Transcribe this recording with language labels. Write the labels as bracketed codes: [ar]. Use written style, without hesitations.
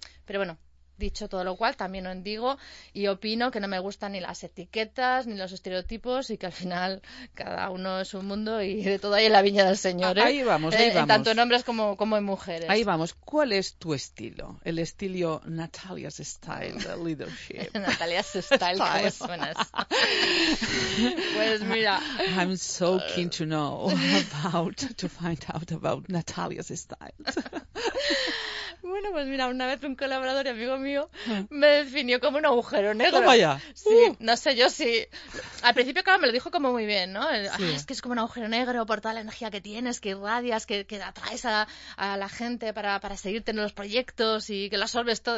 [es] Pero bueno, dicho todo lo cual, también digo y opino que no me gustan ni las etiquetas ni los estereotipos, y que al final cada uno es un mundo y de todo hay en la viña del Señor. Ahí vamos, ahí vamos. Tanto en hombres como en mujeres. Ahí vamos. ¿Cuál es tu estilo? El estilo Natalia's style de leadership. Natalia's style, ¿cómo suena eso? Pues mira, [en] I'm so keen to know about, to find out about Natalia's style. [es] Bueno, pues mira, una vez un colaborador y amigo mío me definió como un agujero negro. ¿Cómo ya? Sí, no sé yo si... Al principio, claro, me lo dijo como muy bien, ¿no? Es que es como un agujero negro por toda la energía que tienes, que irradias, que atraes a la gente para seguirte en los proyectos y que lo absorbes todo.